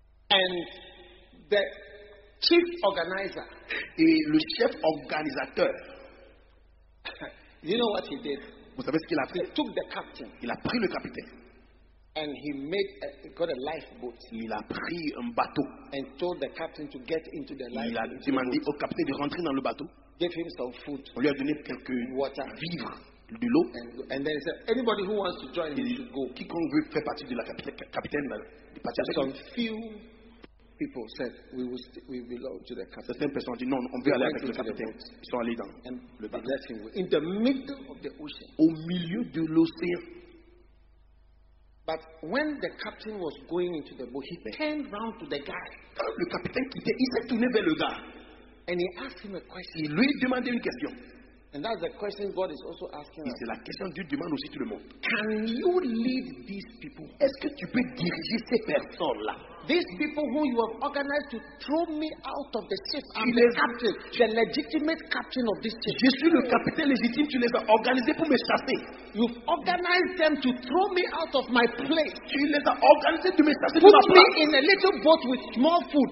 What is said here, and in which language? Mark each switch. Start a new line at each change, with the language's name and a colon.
English: and the chief organizer
French: et le chef organisateur
English: you know what he did?
French: Vous savez ce qu'il a fait?
English: He took the captain.
French: Il a pris le capitaine.
English: And he made got a lifeboat.
French: Il a pris un bateau.
English: And told the captain to get into the lifeboat.
French: Il a demandé au capitaine de rentrer dans le bateau.
English: Gave him some food.
French: On lui a donné quelques
English: water,
French: vivres, de l'eau.
English: And then he said, anybody who wants to join, he should go.
French: Quiconque veut faire partie de la capitaine, de partir avec.
English: Some few people said we belong to the captain.
French: Certaines personnes ont dit non, on veut aller avec le capitaine. Ils sont allés dans
English: and
French: le bateau.
English: In the middle of the ocean.
French: Au milieu de l'océan.
English: But when the captain was going into the boat, he turned round to the guy.
French: Quand le capitaine quittait, il s'est tourné vers le gars.
English: And he asked him a question.
French: Il lui demandait une question.
English: And that's the question God is also asking
French: us. C'est la question Dieu demande aussi tout le monde.
English: Can you lead these people?
French: Est-ce que tu peux diriger ces personnes là?
English: These people whom you have organized to throw me out of the ship, I'm the captain, the legitimate captain of this ship.
French: Je suis le capitaine légitime, tu les as organisés pour me chasser.
English: You've organized them to throw me out of my place.
French: Tu les as organisés pour me chasser.
English: Put me in a little boat with small food.